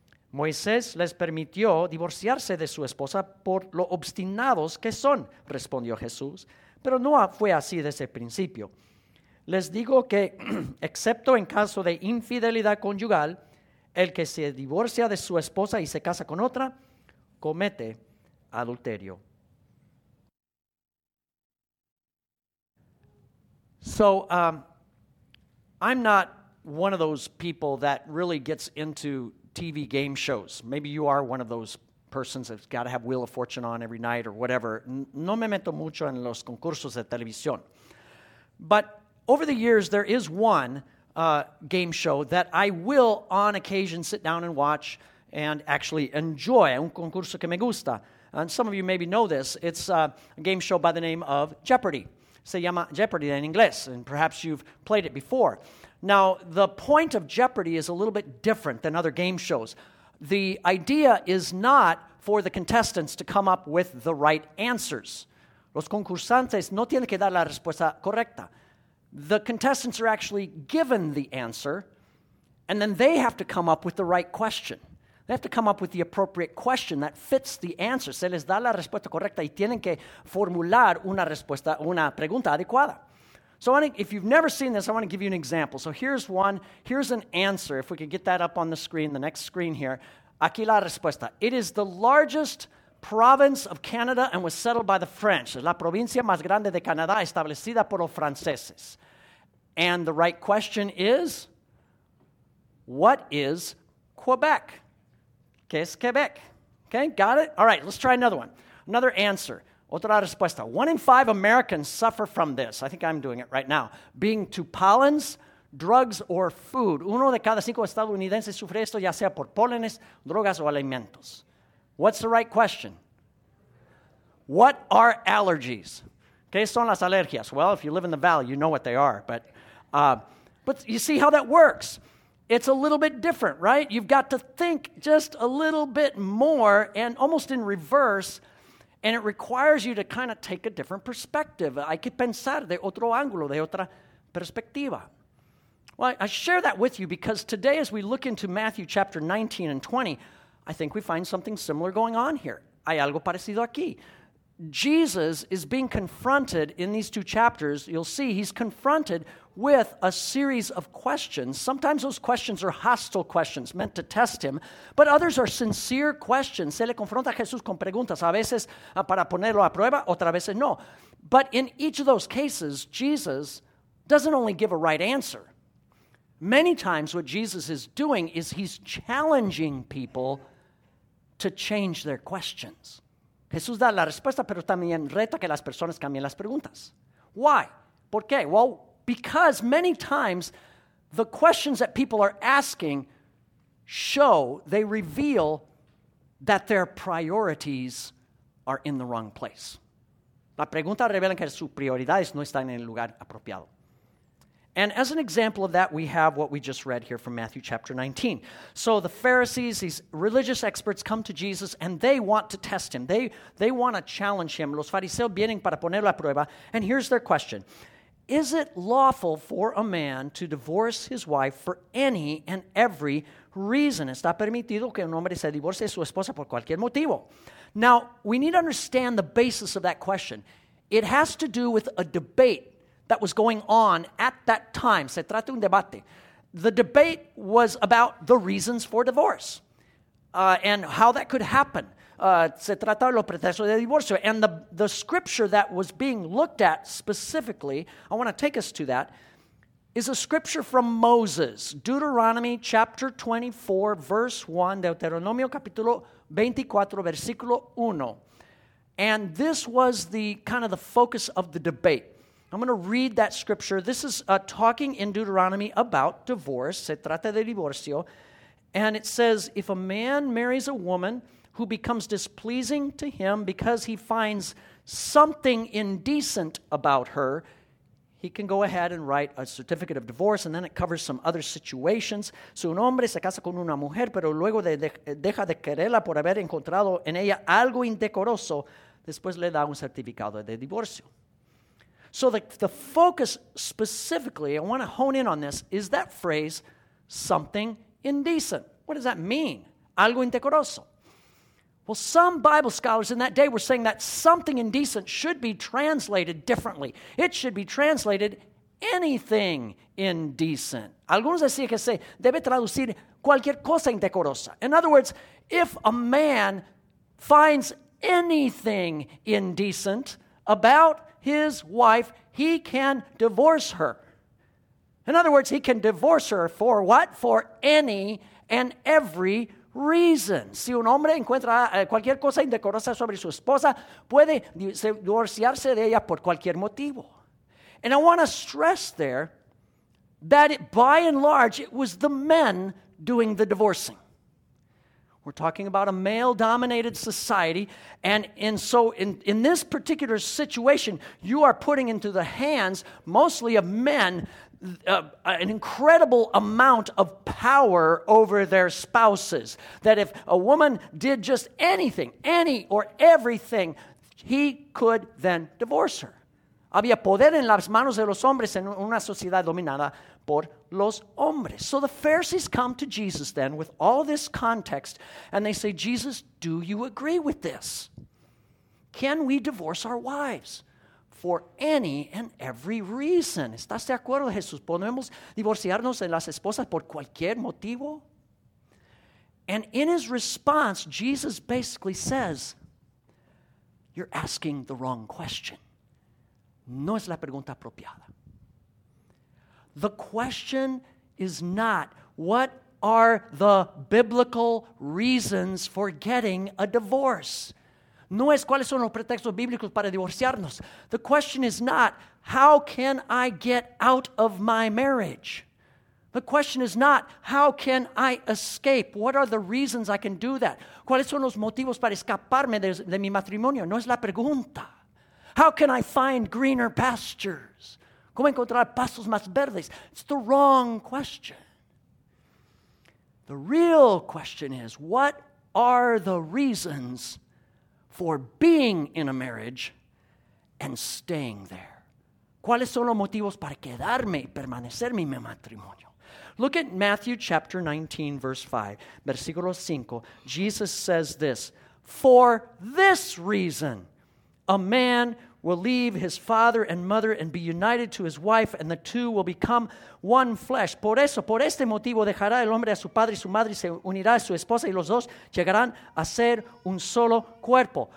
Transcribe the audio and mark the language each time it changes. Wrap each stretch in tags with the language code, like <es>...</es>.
<es>Moisés les permitió divorciarse de su esposa por lo obstinados que son", respondió Jesús, "pero no fue así desde el principio. Les digo que, excepto en caso de infidelidad conyugal, el que se divorcia de su esposa y se casa con otra, comete adulterio.</es> <en>So, I'm not one of those people that really gets into TV game shows. Maybe you are one of those persons that's got to have Wheel of Fortune on every night or whatever.</en> <es>No me meto mucho en los concursos de televisión.</es> <en>But over the years, there is one game show that I will, on occasion, sit down and watch and actually enjoy.</en> <es>Un concurso que me gusta.</es> <en>And some of you maybe know this. It's a game show by the name of Jeopardy.</en> <es>Se llama Jeopardy</es> <en>in English, and perhaps you've played it before. Now, the point of Jeopardy is a little bit different than other game shows. The idea is not for the contestants to come up with the right answers.</en> <es>Los concursantes no tienen que dar la respuesta correcta.</es> <en>The contestants are actually given the answer, and then they have to come up with the right question. They have to come up with the appropriate question that fits the answer.</en> <es>Se les da la respuesta correcta y tienen que formular una respuesta, una pregunta adecuada.</es> <en>So if you've never seen this, I want to give you an example. So here's one. Here's an answer. If we could get that up on the screen, the next screen here.</en> <es>Aquí la respuesta.</es> <en>It is the largest province of Canada and was settled by the French.</en> <es>La provincia más grande de Canadá establecida por los franceses.</es> <en>And the right question is, what is Quebec?</en> <es>¿Qué es Quebec?</es> <en>Okay, got it? All right, let's try another one. Another answer.</en> <es>Otra respuesta.</es> <en>1 in 5 Americans suffer from this. I think I'm doing it right now. Being to pollens, drugs, or food.</en> <es>Uno de cada cinco estadounidenses sufre esto, ya sea por pólenes, drogas, o alimentos.</es> <en>What's the right question? What are allergies?</en> <es>¿Qué son las alergias?</es> <en>Well, if you live in the valley, you know what they are. But you see how that works. It's a little bit different, right? You've got to think just a little bit more and almost in reverse, and it requires you to kind of take a different perspective.</en> <es>Hay que pensar de otro ángulo, de otra perspectiva.</es> <en>Well, I share that with you because today as we look into Matthew chapter 19 and 20, I think we find something similar going on here.</en> <es>Hay algo parecido aquí.</es> <en>Jesus is being confronted in these two chapters. You'll see he's confronted with a series of questions. Sometimes those questions are hostile questions meant to test him, but others are sincere questions.</en> <es>Se le confronta a Jesús con preguntas, a veces para ponerlo a prueba, otras veces no.</es> <en>But in each of those cases, Jesus doesn't only give a right answer. Many times what Jesus is doing is he's challenging people to change their questions.</en> <es>Jesús da la respuesta, pero también reta que las personas cambien las preguntas.</es> <en>Why?</en> <es>¿Por qué?</es> <en>Well, because many times the questions that people are asking show, they reveal that their priorities are in the wrong place.</en> <es>La pregunta revela que sus prioridades no están en el lugar apropiado.</es> <en>And as an example of that, we have what we just read here from Matthew chapter 19. So the Pharisees, these religious experts, come to Jesus and they want to test him. They want to challenge him.</en> <es>Los fariseos vienen para ponerlo a prueba.</es> <en>And here's their question. Is it lawful for a man to divorce his wife for any and every reason?</en> <es>¿Está permitido que un hombre se divorcie de su esposa por cualquier motivo?</es> <en>Now, we need to understand the basis of that question. It has to do with a debate that was going on at that time.</en> <es>Se trata de un debate.</es> <en>The debate was about the reasons for divorce and how that could happen.</en> <es>Se trata de los pretextos de divorcio.</es> <en>And the scripture that was being looked at specifically, I want to take us to that, is a scripture from Moses, Deuteronomy chapter 24, verse 1,</en> <es>Deuteronomio capítulo 24, versículo 1.</es> <en>And this was the kind of the focus of the debate. I'm going to read that scripture. This is talking in Deuteronomy about divorce.</en> <es>Se trata de divorcio.</es> <en>And it says, if a man marries a woman who becomes displeasing to him because he finds something indecent about her, he can go ahead and write a certificate of divorce, and then it covers some other situations.</en> <es>Si un hombre se casa con una mujer, pero luego deja de quererla por haber encontrado en ella algo indecoroso, después le da un certificado de divorcio.</es> <en>So the focus specifically, I want to hone in on this, is that phrase, something indecent. What does that mean?</en> <es>Algo indecoroso.</es> <en>Well, some Bible scholars in that day were saying that something indecent should be translated differently. It should be translated anything indecent.</en> <es>Algunos decían que se debe traducir cualquier cosa indecorosa.</es> <en>In other words, if a man finds anything indecent about his wife, he can divorce her. In other words, he can divorce her for what? For any and every reason.</en> <es>Si un hombre encuentra cualquier cosa indecorosa sobre su esposa, puede divorciarse de ella por cualquier motivo.</es> <en>And I want to stress there that it, by and large, it was the men doing the divorcing. We're talking about a male-dominated society, and so in this particular situation, you are putting into the hands, mostly of men, an incredible amount of power over their spouses. That if a woman did just anything, any or everything, he could then divorce her.</en> <es>Había poder en las manos de los hombres en una sociedad dominada por los hombres.</es> <en>So the Pharisees come to Jesus then with all this context, and they say, Jesus, do you agree with this? Can we divorce our wives for any and every reason?</en> <es>¿Estás de acuerdo, Jesús? ¿Podemos divorciarnos de las esposas por cualquier motivo?</es> <en>And in his response, Jesus basically says, you're asking the wrong question.</en> <es>No es la pregunta apropiada.</es> <en>The question is not, what are the biblical reasons for getting a divorce?</en> <es>No es, ¿cuáles son los pretextos bíblicos para divorciarnos?</es> <en>The question is not, how can I get out of my marriage? The question is not, how can I escape? What are the reasons I can do that?</en> <es>¿Cuáles son los motivos para escaparme de mi matrimonio? No es la pregunta.</es> <en>How can I find greener pastures?</en> <es>¿Cómo encontrar pastos más verdes?</es> <en>It's the wrong question. The real question is, what are the reasons for being in a marriage and staying there?</en> <es>¿Cuáles son los motivos para quedarme y permanecer en mi matrimonio?</es> <en>Look at Matthew chapter 19, verse 5.</en> <es>Versículo 5.</es> <en>Jesus says this, for this reason, a man will leave his father and mother and be united to his wife, and the two will become one flesh.</en> <es>Por eso, por este motivo, dejará el hombre a su padre y su madre y se unirá a su esposa y los dos llegarán a ser un solo cuerpo.</es>